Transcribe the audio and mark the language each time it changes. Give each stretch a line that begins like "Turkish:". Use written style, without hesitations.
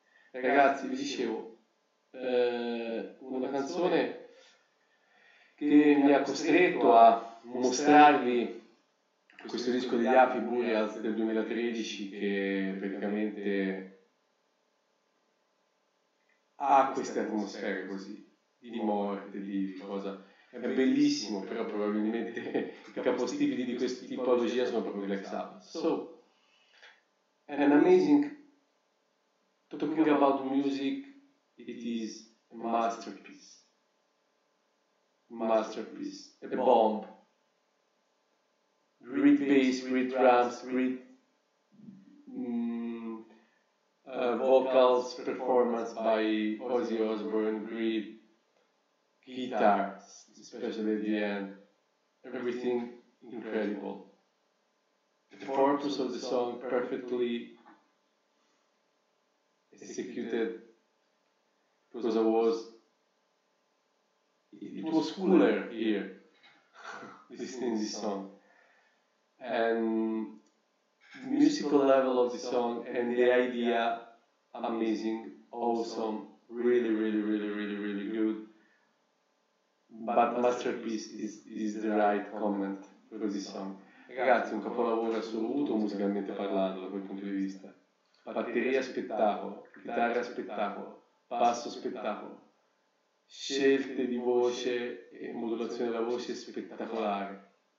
Italian: Ragazzi, vi dicevo, una canzone che mi ha costretto a mostrarvi questo disco degli Api, Burials, del 2013, che praticamente ha queste atmosfere così, di morte, di cosa. È bellissimo, però probabilmente i capostipiti di questa tipologia sono proprio Black Sabbath.
English: So, an amazing, talking about music, it is a masterpiece. Masterpiece, a bomb. Great bass, great drums, great vocals performance by Ozzy Osbourne, great guitar, especially at the end. Everything incredible. The purpose of the song perfectly executed, because it was cooler here listening to this song. And the musical level of the song and the idea, amazing, awesome, really, really, really, really, really good. But masterpiece is the right comment for this song.
Italian: Ragazzi, un capolavoro assoluto musicalmente parlando, da quel punto di vista. Batteria spettacolo, chitarra spettacolo, basso spettacolo, scelte di voce e modulazione della voce spettacolare.